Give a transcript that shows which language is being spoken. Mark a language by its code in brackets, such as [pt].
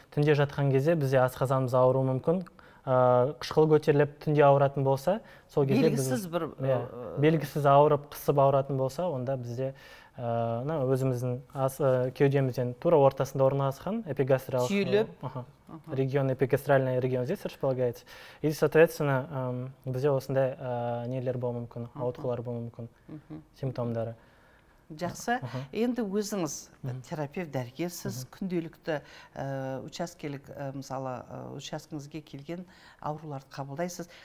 [kk] Түнде жатқан кезде бізде асқазанымыз ауыруы мүмкін. Қышқыл көтеріліп түнде ауыратын болса, сол кезде белгісіз бір белгісіз ауырып қысып ауыратын болса, онда бізде өзіміздің кеудемізден тура ортасында орналасқан эпигастриялық түйіліп [ru] регион эпигастриальный регион здесь располагается. И соответственно [kk] бізде осындай нелер болуы мүмкін, ауытқулар болуы мүмкін, симптомдары. Жақсы. Енді өзіңіз терапевт, дәрігерсіз, күнделікті учаскелік, мысалы, учаскіңізге келген ауруларды қабылдайсыз.